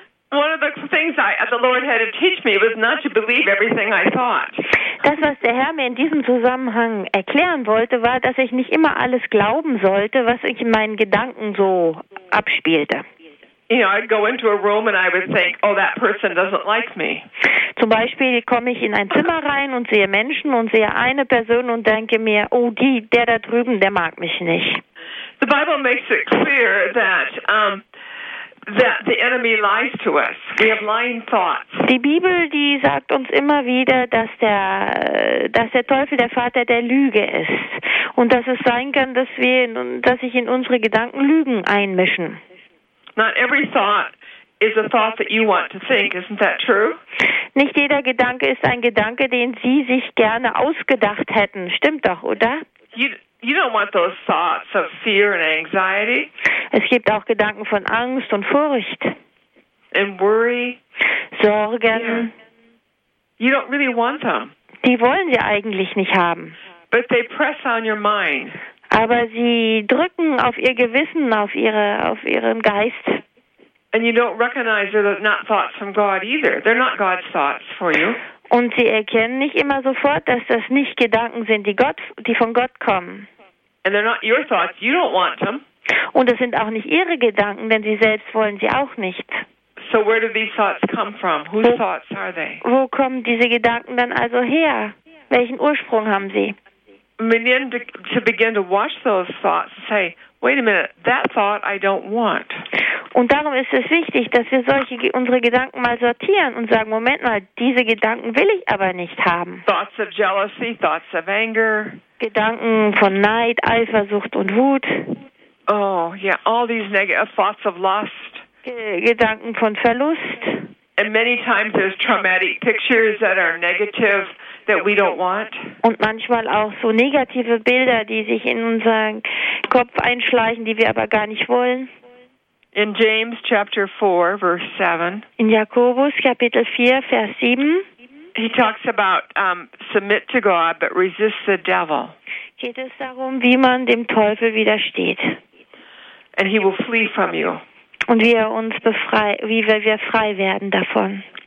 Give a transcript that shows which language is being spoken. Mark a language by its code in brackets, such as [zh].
[en] One of the things the Lord had to teach me was not to believe everything I thought. [de] Das, was der Herr mir in diesem Zusammenhang erklären wollte, war, dass ich nicht immer alles glauben sollte, was ich in meinen Gedanken so abspielte. [en] You know, I'd go into a room and I would think, oh, that person doesn't like me. [de] Zum Beispiel komme ich in ein Zimmer rein und sehe Menschen und sehe eine Person und denke mir, oh, der da drüben, der mag mich nicht. [en] The Bible makes it clear that that the enemy lies to us. We have lying thoughts. [de] Die Bibel, die sagt uns immer wieder, dass der Teufel der Vater der Lüge ist und dass es sein kann, dass sich in unsere Gedanken Lügen einmischen. [en] Not every thought is a thought that you want to think, isn't that true? [de] Nicht jeder Gedanke ist ein Gedanke, den Sie sich gerne ausgedacht hätten. Stimmt doch, oder? [en] You don't want those thoughts of fear and anxiety. [de] Es gibt auch Gedanken von Angst und Furcht. [en] And worry. [de] Sorgen. [en] You don't really want them. [de] Die wollen Sie eigentlich nicht haben. [en] But they press on your mind. [de] Aber sie drücken auf ihr Gewissen, auf ihren Geist. [en] And you don't recognize they're not thoughts from God either. They're not God's thoughts for you. [de] Und sie erkennen nicht immer sofort, dass das nicht Gedanken sind, die von Gott kommen. [en] And they're not your thoughts. You don't want them. [de] Und es sind auch nicht ihre Gedanken, denn sie selbst wollen sie auch nicht. [en] So where do these thoughts come from? Whose thoughts are they? [de] Wo kommen diese Gedanken dann also her? Welchen Ursprung haben sie? [en] We need to begin to watch those thoughts and say, wait a minute, that thought I don't want. [de] Und darum ist es wichtig, dass wir unsere Gedanken mal sortieren und sagen, Moment mal, diese Gedanken will ich aber nicht haben. [en] Thoughts of jealousy, thoughts of anger. [de] Gedanken von Neid, Eifersucht und Wut. [en] Oh, yeah, all these negative thoughts of lust. [de] Gedanken von Verlust. [en] And many times there's traumatic pictures that are negative that we don't want. [de] Und manchmal auch so negative Bilder, die sich in unseren Kopf einschleichen, die wir aber gar nicht wollen. [en] In James chapter 4, verse 7. [de] In Jakobus Kapitel 4, Vers 7. [en] He talks about submit to God but resist the devil. [de] Geht es darum, wie man dem Teufel widersteht. [en] And he will flee from you. [de] Und wie er uns wie wir frei werden davon.